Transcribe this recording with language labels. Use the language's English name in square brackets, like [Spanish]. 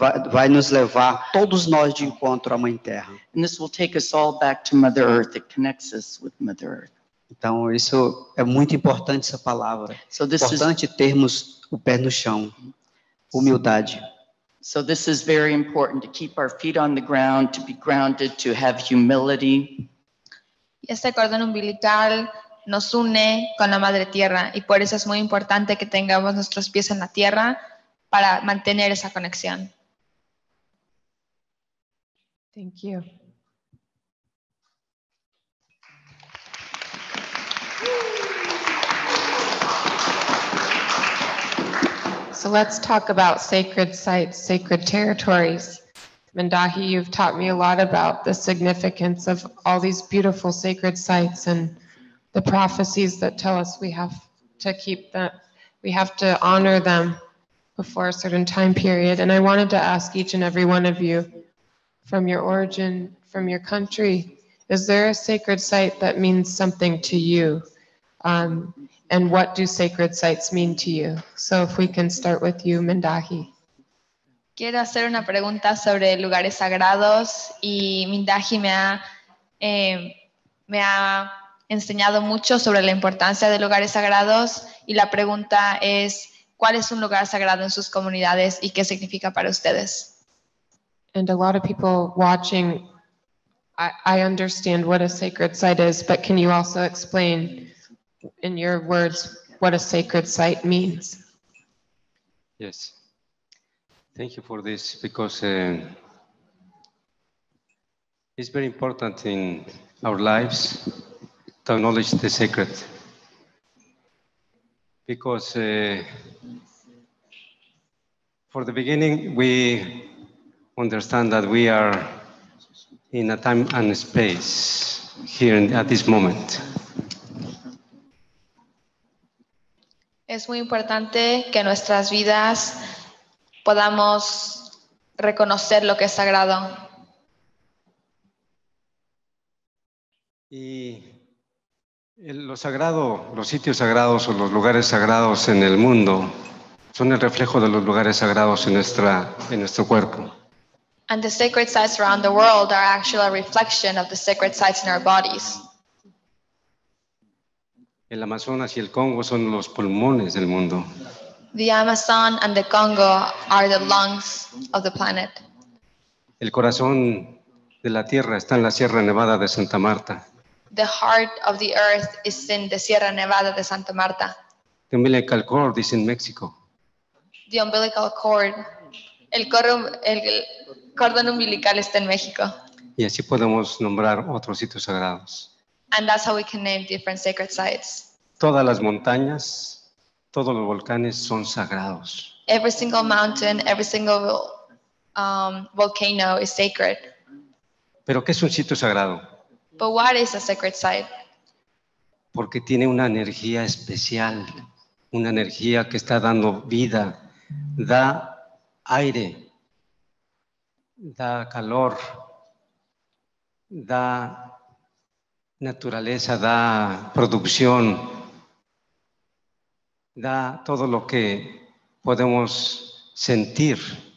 [Portuguese] Vai nos levar todos nós de encontro à Mãe Terra. [English] And this will take us all back to Mother Earth. It connects us with Mother Earth. [Portuguese] Então isso é muito importante, essa palavra. [English] So this importante is... [Portuguese] termos o pé no chão, humildade. [English] So this is very important to keep our feet on the ground, to be grounded, to have humility. [Spanish] E este cordón umbilical nos une con la Madre Tierra, y por eso es muy importante que tengamos nuestros pies en la tierra, para mantener esa conexión. [English] Thank you. So let's talk about sacred sites, sacred territories. Mindahi, you've taught me a lot about the significance of all these beautiful sacred sites and the prophecies that tell us we have to keep them, we have to honor them before a certain time period. And I wanted to ask each and every one of you, from your origin, from your country, is there a sacred site that means something to you? And what do sacred sites mean to you? So if we can start with you, Mindahi. [Spanish] Quiero hacer una pregunta sobre lugares sagrados y Mindahi me ha enseñado mucho sobre la importancia de lugares sagrados y la pregunta es, ¿cuál es un lugar sagrado en sus comunidades y qué significa para ustedes? [English] And a lot of people watching, I understand what a sacred site is, but can you also explain in your words what a sacred site means? Yes. Thank you for this, because it's very important in our lives to acknowledge the sacred. Because for the beginning, we understand that we are in a time and a space here at this moment. [Spanish] Es muy importante que nuestras vidas podamos reconocer lo que es sagrado. Y lo sagrado, los sitios sagrados o los lugares sagrados en el mundo son el reflejo de los lugares sagrados en nuestro cuerpo. [English] And the sacred sites around the world are actually a reflection of the sacred sites in our bodies. [Spanish] El Amazonas y el Congo son los pulmones del mundo. [English] The Amazon and the Congo are the lungs of the planet. [Spanish] El corazón de la tierra está en la Sierra Nevada de Santa Marta. [English] The heart of the earth is in the Sierra Nevada de Santa Marta. The umbilical cord is in Mexico. The umbilical cord, [Spanish] el cordón umbilical está en México. Y así podemos nombrar otros sitios sagrados. [English] And that's how we can name different sacred sites. [Spanish] Todas las montañas, todos los volcanes son sagrados. [English] Every single mountain, every single volcano is sacred. [Spanish] ¿Pero qué es un sitio sagrado? [English] But what is a sacred site? [Spanish] Porque tiene una energía especial, una energía que está dando vida, da aire, da calor, da naturaleza, da producción, da todo lo que podemos sentir.